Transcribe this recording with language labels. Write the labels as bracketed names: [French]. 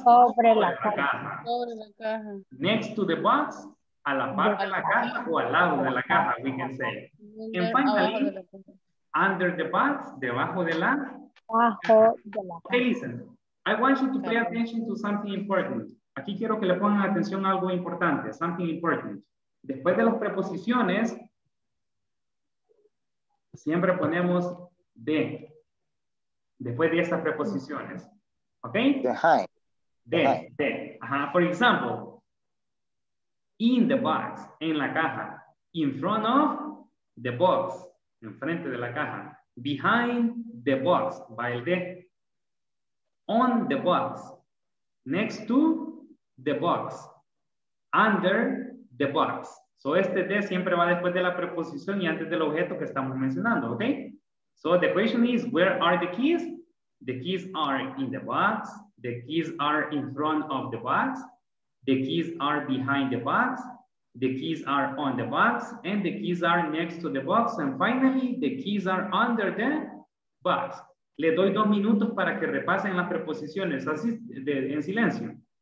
[Spanish] sobre la caja. Sobre la caja. [English] Next to the box, [Spanish] a la parte de la caja [English] o al lado de la caja, we can say. And finally, under the box, [Spanish] debajo de la caja. [English] Okay, listen. I want you to pay attention to something important. [Spanish] Aquí quiero que le pongan atención a algo importante. [English] Something important. [Spanish] Después de las preposiciones, siempre ponemos de. después de estas preposiciones. ¿Ok? [English] Behind. Behind. For example, in the box, [Spanish] en la caja, [English] in front of the box, [Spanish] en frente de la caja, [English] behind the box, [Spanish] va el de, [English] on the box, next to the box, under the box. [Spanish] So este de siempre va después de la preposición y antes del objeto que estamos mencionando, ¿ok? [English] So the question is, where are the keys? The keys are in the box, the keys are in front of the box, the keys are behind the box, the keys are on the box, and the keys are next to the box, and finally, the keys are under the box. [Spanish] Le doy 2 minutos para que repasen las preposiciones, así de, en silencio.